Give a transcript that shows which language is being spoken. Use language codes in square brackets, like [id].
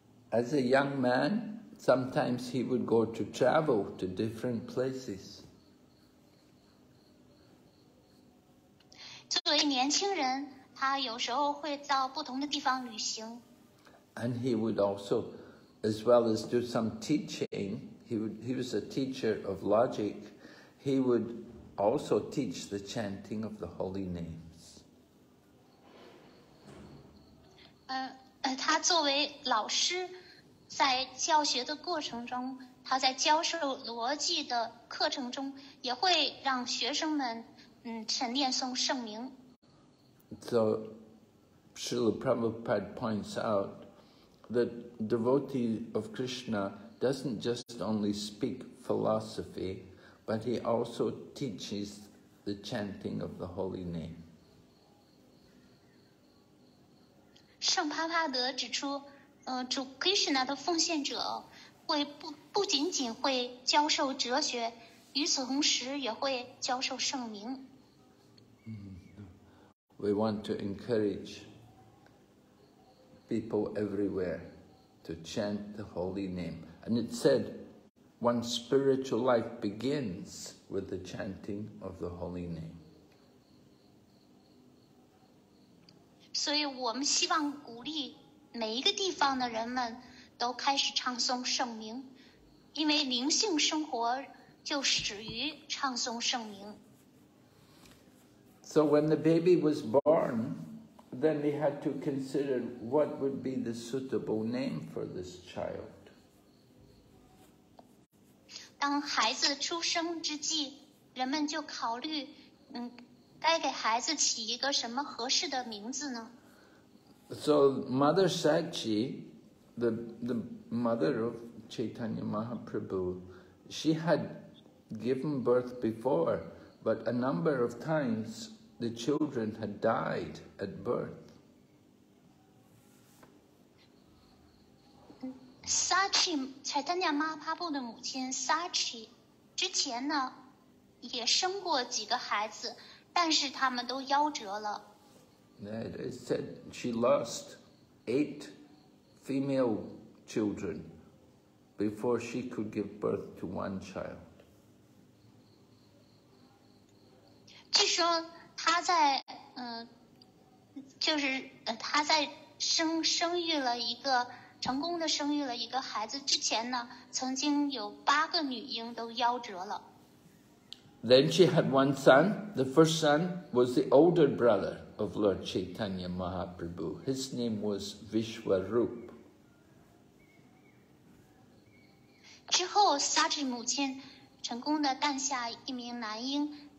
[en] As a young man, sometimes he would go to travel to different places. [zh] 作为年轻人，他有时候会到不同的地方旅行。 [en] And he would also, as well as do some teaching, he was a teacher of logic, he would also teach the chanting of the holy names. [zh] 他作为老师，在教学的过程中，他在教授逻辑的课程中，也会让学生们晨念诵圣名。 [en] So, Srila Prabhupada points out that devotee of Krishna doesn't just only speak philosophy, but he also teaches the chanting of the holy name. [zh] 圣帕帕德指出，主 Krishna 的奉献者会不仅仅会教授哲学，与此同时也会教授圣名。 [en] We want to encourage people everywhere to chant the holy name. And it said, one's spiritual life begins with the chanting of the holy name. [zh] 所以我们希望鼓励每一个地方的人们都开始唱诵圣名，因为灵性生活就始于唱诵圣名。 [en] So when the baby was born, then they had to consider what would be the suitable name for this child. [zh] 当孩子出生之际，人们就考虑，该给孩子起一个什么合适的名字呢？ [en] So Mother Sachi, the mother of Chaitanya Mahaprabhu, she had given birth before, but a number of times the children had died at birth. [zh] Sachi, Chaitanya Mahaprabhu 的母亲 Sachi, 之前呢也生过几个孩子，但是他们都夭折了。 [en] It said she lost 8 female children before she could give birth to one child. [zh] 据说他在就是他在生育了一个成功的生育了一个孩子之前呢，曾经有八个女婴都夭折了。 [en] Then she had one son. The first son was the older brother of Lord Chaitanya Mahaprabhu. His name was Vishwarup. [zh] 之后 ，Sachi 母亲成功的诞下一名男婴。